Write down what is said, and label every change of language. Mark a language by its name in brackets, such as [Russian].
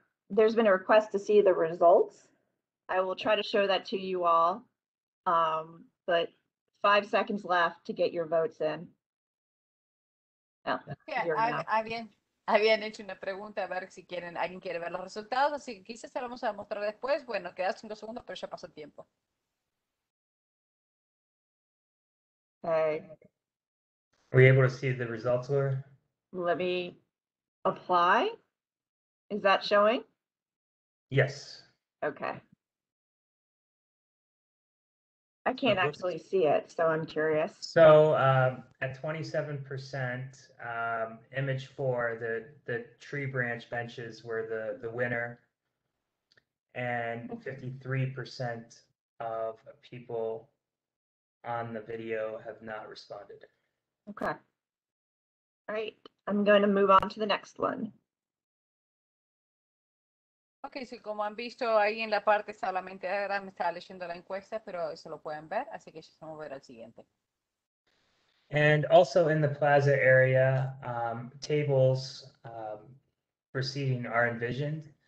[English] There's been a request to see the results. I will try to show that to you all, but 5 seconds left to get your votes in. [Spanish] Habían hecho una pregunta a ver si quieren, alguien quiere ver los resultados, así que quizás se lo vamos a mostrar después. Bueno, queda 5 segundos, pero ya pasó el tiempo. [English] Okay. Are we able to see the results, Laura? Let me apply. Is that showing? Yes. Okay. I can't actually see it, so I'm curious. So at 27%, image four, the tree branch benches were the winner. And 53% of people on the video have not responded. Okay. All right, I'm going to move on to the next one. [Spanish] Ok, sí, como han visto ahí en la parte solamente ahora me estaba leyendo la encuesta, pero eso lo pueden ver, así que ya vamos a ver al siguiente. [English] And also in the plaza area, tables for seating are envisioned.